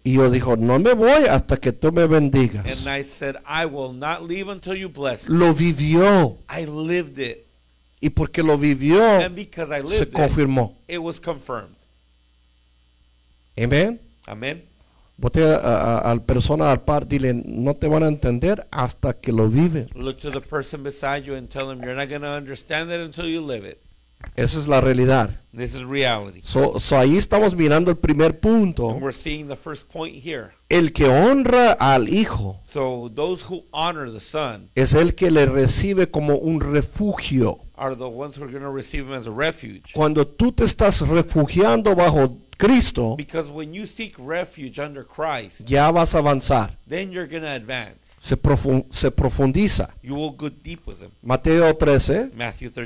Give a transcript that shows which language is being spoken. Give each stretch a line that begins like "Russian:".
Spanish: Y yo dijo, no me voy hasta que tú me bendigas.
English: And I said, I will not leave until you bless me.
Spanish: Lo vivió.
English: I lived it.
Spanish: Y porque lo vivió,
English: and because I
Spanish: se confirmó.
English: It was confirmed.
Spanish: Amen.
English: Amen.
Spanish: Vote a la persona al par, dile, no te van a entender hasta que lo vive.
English: Look to the person beside you and tell them, you're not going to understand it until you live it.
Spanish: Esa es la realidad.
English: This is reality.
Spanish: So ahí estamos mirando el primer punto.
English: And we're seeing the first point here.
Spanish: El que honra al hijo.
English: So those who honor the son.
Spanish: Es el que le recibe como un refugio.
English: Are the ones who are going to receive him as a refuge.
Spanish: Cuando tú te estás refugiando bajo Cristo.
English: Because when you seek refuge under Christ.
Spanish: Ya vas a avanzar.
English: Then you're going to advance.
Spanish: Se profundiza.
English: You will go deep with him.
Spanish: Mateo 13.
English: Matthew 13.